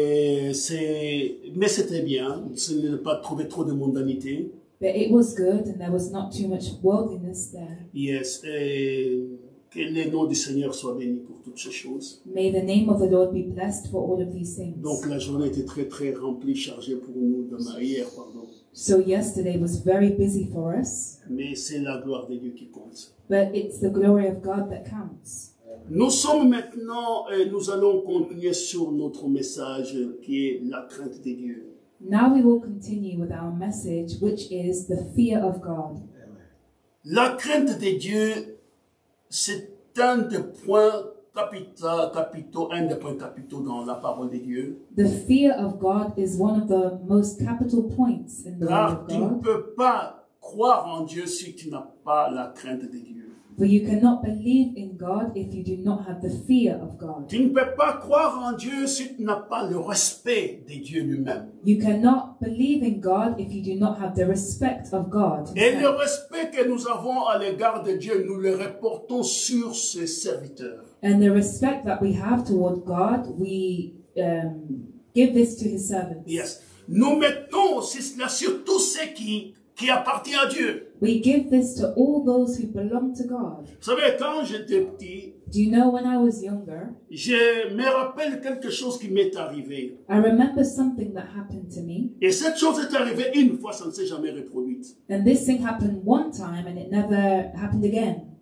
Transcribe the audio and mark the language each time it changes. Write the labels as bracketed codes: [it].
[fr] Mais c'était bien, ce n'est pas trouver trop de mondanité. [en] But it was good and there was not too much worldliness there. [fr] Yes, que le nom du Seigneur soit béni pour toutes ces choses. [en] May the name of the Lord be blessed for all of these things. [fr] Donc la journée était très très remplie, chargée pour nous de hier, pardon. [en] So yesterday was very busy for us. [fr] Mais c'est la gloire de Dieu qui compte. [en] But it's the glory of God that counts. [fr] Nous sommes maintenant et nous allons continuer sur notre message qui est la crainte de Dieu. [en] Now we will continue with our message which is the fear of God. [fr] La crainte de Dieu, c'est un des points capitaux, un des points capitaux dans la parole de Dieu. [en] The fear of God is one of the most capital points in the word of God. [fr] Car tu ne peux pas croire en Dieu si tu n'as pas la crainte de Dieu. [en] For you cannot believe in God if you do not have the fear of God. [fr] Tu ne peux pas croire en Dieu si tu n'as pas le respect de Dieu lui-même. [en] You cannot believe in God if you do not have the respect of God. [fr] Et le respect que nous avons à l'égard de Dieu, nous le reportons sur ses serviteurs. [en] And the respect that we have toward God, we give this to His servants. Yes. [fr] Nous mettons aussi cela sur tous ceux qui appartiennent à Dieu. [en] We give this to all those who belong to God. [fr] Vous savez, quand j'étais petit, [en] do you know when I was younger? [fr] Je me rappelle quelque chose qui m'est arrivé. [en] I remember something that happened to me. [fr] Et cette chose est arrivée une fois, ça ne s'est jamais reproduite. [en] And this thing happened one time and it never happened again.